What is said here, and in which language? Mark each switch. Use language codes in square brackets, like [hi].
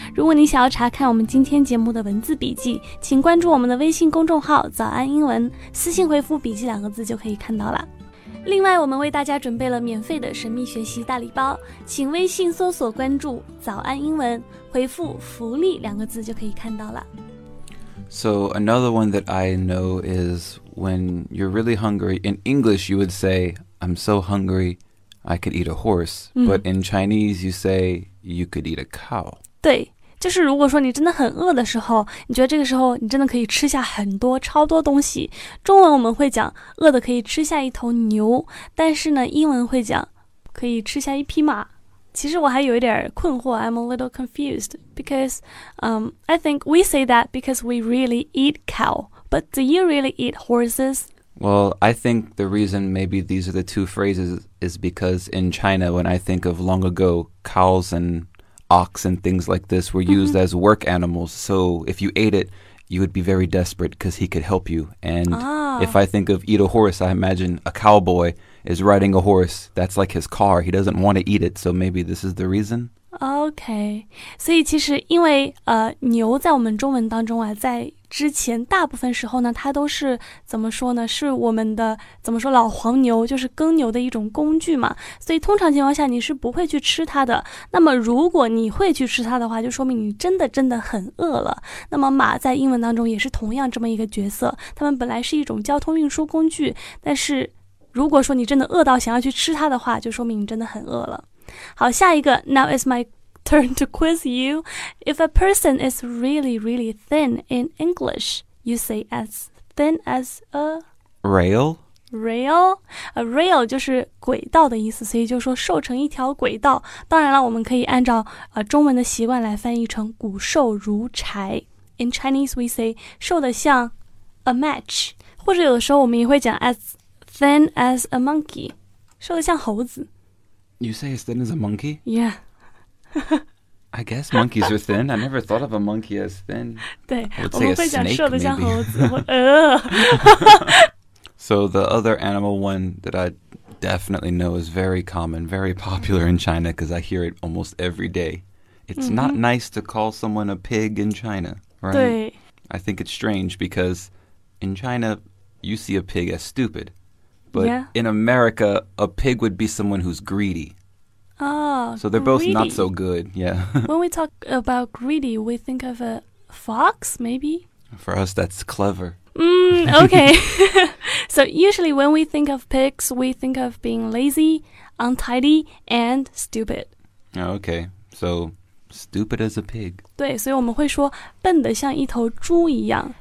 [zh] 如果你想要查看我们今天节目的文字笔记，请关注我们的微信公众号早安英文，私信回复笔记两个字就可以看到了。另外我们为大家准备了免费的神秘学习大礼包，请微信搜索关注早安英文，回复福利两个字就可以看到了。 [en] So another one that I know is when you're really hungry, in English you would say I'm so hungryI could eat a horse, but in Chinese you say you could eat a cow. [zh] 对，就是如果说你真的很饿的时候，你觉得这个时候你真的可以吃下很多超多东西。中文我们会讲饿的可以吃下一头牛，但是呢，英文会讲可以吃下一匹马。其实我还有一点困惑 [en] ，I'm a little confused because, I think we say that because we really eat cow, but do you really eat horses? Well, I think the reason maybe these are the two phrases is because in China, when I think of long ago, cows and ox and things like this were used as work animals. So if you ate it, you would be very desperate because he could help you. And if I think of eat a horse, I imagine a cowboy is riding a horse. That's like his car. He doesn't want to eat it. So maybe this is the reason. [zh] OK, 所以其实因为牛在我们中文当中啊，在之前大部分时候呢，它都是怎么说呢，是我们的怎么说老黄牛，就是耕牛的一种工具嘛，所以通常情况下你是不会去吃它的，那么如果你会去吃它的话，就说明你真的真的很饿了。那么马在英文当中也是同样这么一个角色，它们本来是一种交通运输工具，但是如果说你真的饿到想要去吃它的话，就说明你真的很饿了。好，下一个 [en] Now it's my turn to quiz you. If a person is really, really thin in English, you say as thin as a... Rail? Rail? A rail [zh] 就是轨道的意思，所以就说瘦成一条轨道。当然了，我们可以按照中文的习惯来翻译成骨瘦如柴。 [en] In Chinese, we say [zh] 瘦得像 [en] a match. [zh] 或者有的时候我们也会讲 [en] as thin as a monkey. [zh] 瘦得像猴子。 [en] You say as thin as a monkey? Yeah. I guess monkeys are thin. I never thought of a monkey as thin. [zh] 对，我们会讲瘦的像猴子。 [en] So the other animal one that I definitely know is very common, very popular in China because I hear it almost every day. It's not nice to call someone a pig in China, right? [zh] 对。 [en] I think it's strange because in China, you see a pig as stupid.But in America, a pig would be someone who's greedy. Oh, so they're greedy. Both not so good, yeah. When we talk about greedy, we think of a fox, maybe? For us, that's clever. Okay. So usually when we think of pigs, we think of being lazy, untidy, and stupid. Okay, so stupid as a pig. [zh] 对，所以我们会说笨得像一头猪一样。